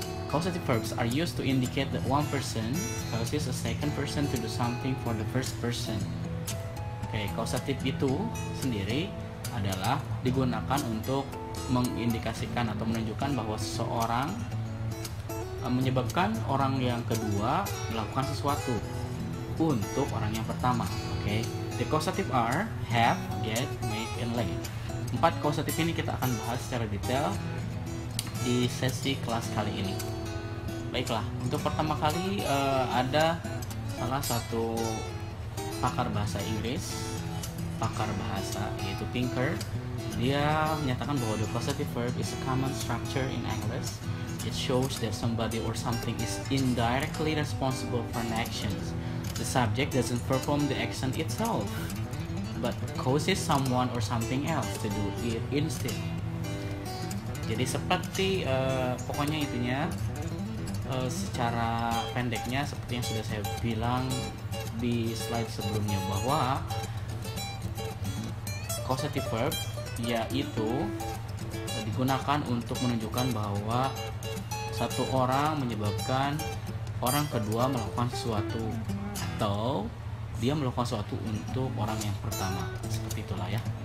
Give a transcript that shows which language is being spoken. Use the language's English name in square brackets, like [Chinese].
[English] Causative verbs are used to indicate that one person causes a second person to do something for the first person. [Indonesian] Okay, causative itu sendiri adalah digunakan untuk mengindikasikan atau menunjukkan bahwa seseorang menyebabkan orang yang kedua melakukan sesuatu untuk orang yang pertama. [English] Okay, the causative are have, get, make, and lay. [Indonesian] Empat causative ini kita akan bahas secara detail di sesi kelas kali ini. Baiklah, untuk pertama kali ada salah satu pakar bahasa Inggris, pakar bahasa yaitu Pinker. Dia menyatakan bahwa [English] the causative verb is a common structure in English. It shows that somebody or something is indirectly responsible for an action. The subject doesn't perform the action itself, but causes someone or something else to do it instead. [Indonesian] Jadi seperti pokoknya itunya secara pendeknya seperti yang sudah saya bilang di slide sebelumnya bahwa causative verb yaitu digunakan untuk menunjukkan bahwa satu orang menyebabkan orang kedua melakukan sesuatu atau dia melakukan sesuatu untuk orang yang pertama, seperti itulah ya.